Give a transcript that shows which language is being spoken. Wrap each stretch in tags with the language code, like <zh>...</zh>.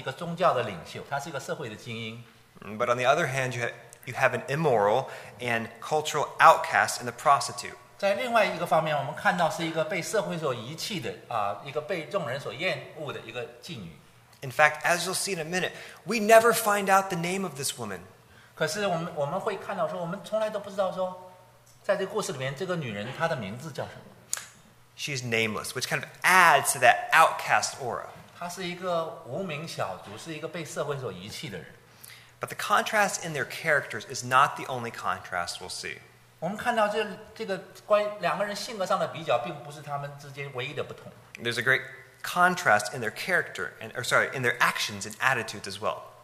<zh>我们看到在另一方面，我们看到西门他是一个在道德上站在制高点的，而且在他是一个宗教的领袖，他是一个社会的精英。</zh> <en>But on the other hand, you have an immoral and cultural outcast in the prostitute.</en> <zh>在另外一个方面，我们看到是一个被社会所遗弃的，一个被众人所厌恶的一个妓女。</zh> <en>In fact, as you'll see in a minute, we never find out the name of this woman.</en> <zh>可是我们会看到说，我们从来都不知道说，在这个故事里面，这个女人她的名字叫什么。</zh> <en>She's nameless, which kind of adds to that outcast aura.</en> <zh>她是一个无名小卒，是一个被社会所遗弃的人。</zh> <en>But the contrast in their characters is not the only contrast we'll see.</en> <zh>我们看到这个关于两个人性格上的比较，并不是他们之间唯一的不同。</zh> <en>There's a great contrast in their character and or sorry, in their actions and attitudes as well.</en>